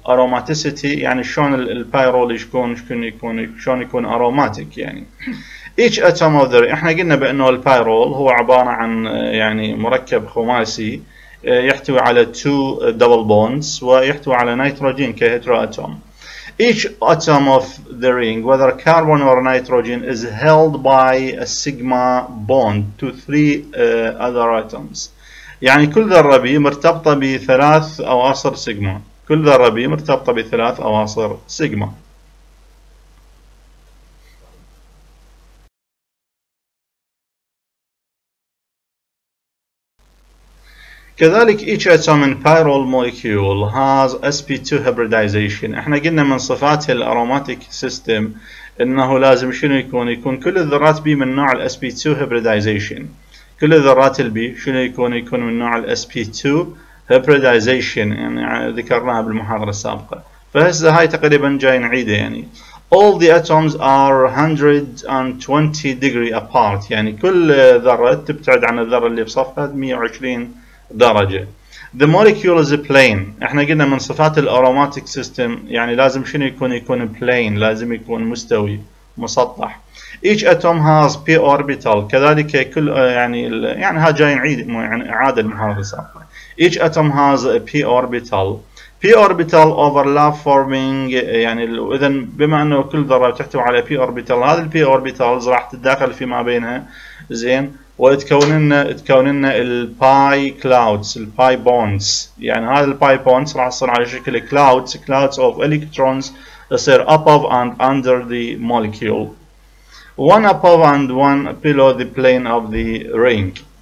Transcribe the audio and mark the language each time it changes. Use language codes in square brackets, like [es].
[ar] اروماتيسيتي يعني شلون البايرول يكون اروماتيك يعني. [en] H atom of the, [ar] احنا قلنا بانه البايرول هو عباره عن يعني مركب خماسي يحتوي على تو دبل بوندز ويحتوي على نيتروجين كهيدرو اتوم. [en] Each atom of the ring, whether carbon or nitrogen, is held by a sigma bond to three other atoms. [ar] يعني كل ذرة مرتبطة بثلاث أواصر سيجما. كل ذرة مرتبطة بثلاث أواصر سيجما. كذلك [en] each atom in pyrrole molecule has sp2 hybridization. [ar] احنا قلنا من صفات الاروماتيك سيستم انه لازم شنو يكون كل الذرات بي من نوع ال sp2 hybridization. كل الذرات البي شنو يكون من نوع ال sp2 hybridization، يعني ذكرناها بالمحاضرة السابقة. فهسه هاي تقريبا جاي نعيده يعني. [en] All the atoms are 120 degree apart، [ar] يعني كل ذرة تبتعد عن الذرة اللي بصفها 120 درجة. [en] The molecule is a plane. [ar] احنا قلنا من صفات الاروماتيك سيستم يعني لازم شنو يكون plane، لازم يكون مستوي مسطح. [en] Each atom has p orbital. [ar] كذلك كل يعني ها جاي نعيد يعني اعادة المحاضرة السابقة. [en] Each atom has a p orbital. p orbital overlap forming [ar] يعني اذا بما انه كل ذرة تحتوي على p orbital، هذه ال p orbitals راح تتداخل فيما بينها زين وتكون لنا الباي كلاودز، الباي بوندز. يعني هذا الباي بوندز راح يصير على شكل [en] Clouds, clouds of electrons يصير above and under the molecule, one above and one below the plane of the ring.